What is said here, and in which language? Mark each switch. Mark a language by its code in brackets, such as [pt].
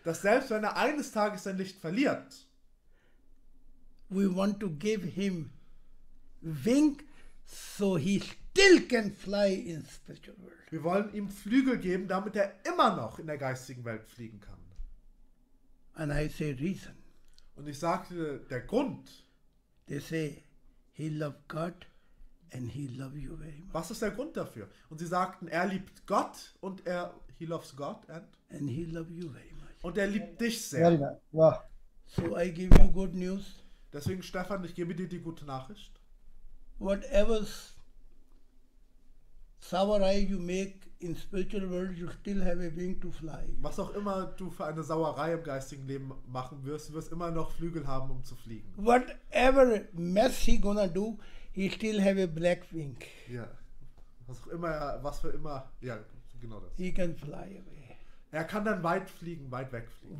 [de] Dass selbst wenn er eines Tages sein Licht verliert. [en] We want to give him wing, so he still can fly in spiritual world. [de] Wir wollen ihm Flügel geben, damit er immer noch in der geistigen Welt fliegen kann. [en] And I say reason. [de] Und ich sagte, der Grund. [en] They say, he loved God and he loved you very much. [de] Was ist der Grund dafür? Und sie sagten, er liebt Gott und er, [en] he loves God and he loved you very much. [de] Und er liebt dich sehr. Ja. [en] So I give you good news. [de] Deswegen, Stefan, ich gebe dir die gute Nachricht. [en] Whatever Sauerei you make in spiritual world, you still have a wing to fly. [de] Was auch immer du für eine Sauerei im geistigen Leben machen wirst, du wirst immer noch Flügel haben, um zu fliegen. [en] Whatever mess he gonna do, he still have a black wing. [de] Ja, was auch immer, was für immer, ja, genau das. [en] He can fly away. [de] Er kann dann weit fliegen, weit weg fliegen.